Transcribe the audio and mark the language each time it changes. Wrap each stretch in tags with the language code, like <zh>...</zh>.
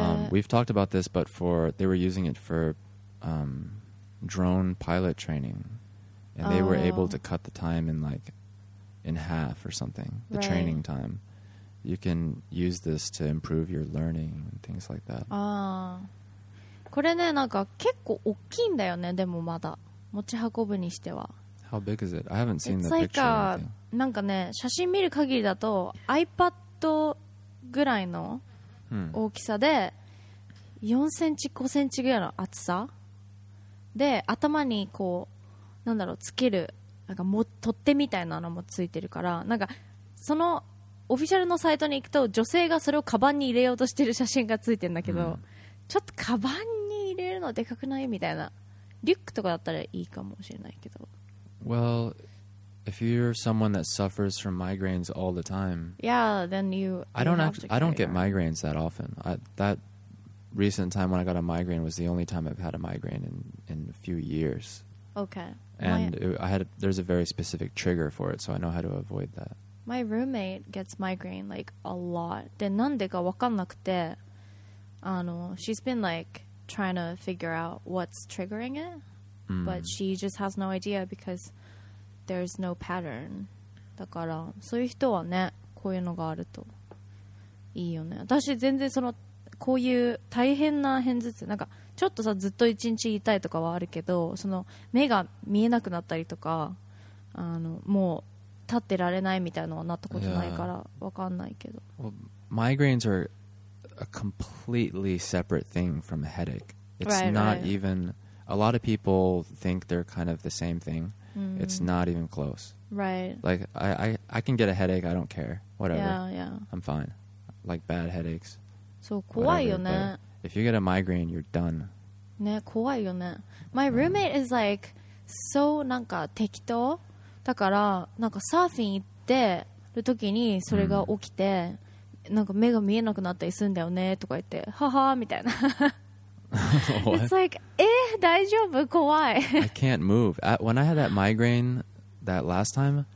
<en>We've talked about this, but they were using it for drone pilot training. And they were able to cut the time in half or something. The training time. You can use this to improve your learning and things like that.</en> <ja>ああ、これね、なんか結構大きいんだよね。でもまだ持ち運ぶにしては。</ja> <en>How big is it? I haven't seen the picture. It's like</en> <ja>なんかね、写真見る限りだと iPad ぐらいの大きさで4センチ5センチぐらいの厚さで頭にこうなんだろうつけるなんか取っ手みたいなのもついてるからなんかそのオフィシャルのサイトに行くと女性がそれをカバンに入れようとしてる写真がついてるんだけど、ちょっとカバンに入れるののでかくないみたいなリュックとかだったらいいかもしれないけど。</ja> <en>Well, if you're someone that suffers from migraines all the time, yeah, then you. I don't get migraines that often. That recent time when I got a migraine was the only time I've had a migraine in a few years. Okay. And there's a very specific trigger for it, so I know how to avoid that. My roommate gets migraine like a lot.</en> <ja>で、なんでか分かんなくて、あの、</ja> <en>she's been like trying to figure out what's triggering it. But she just has no idea because there's no pattern.</en> <ja>だから、そういう人はね、こういうのがあるといいよね。私全然その、こういう大変な偏頭痛、なんかちょっとさ、ずっと一日痛いとかはあるけど、その目が見えなくなったりとか、あの、もう立ってられないみたいなのはなったことないから、わかんないけど。</ja> <en>Well, migraines are a completely separate thing from a headache. It's right, not right. even... A lot of people think they're kind of the same thing. Mm-hmm. It's not even close. Right. Like, I can get a headache, I don't care. Whatever. Yeah, yeah. I'm fine. Like, bad headaches. So,</en> <ja>怖いよね。</ja> <en>If you get a migraine, you're done.</en> <ja>ね、怖いよね。</ja> <en>My roommate is like, so,</en> <ja>なんか、適当。だから、なんか、サーフィン行ってる時にそれが起きて、なんか目が見えなくなったりするんだよね、とか言って、ははー、みたいな。</ja> <en>It's like, eh,</en> <ja>大丈夫?怖い。</ja> <en>I can't move. When I had that migraine that last time,</en>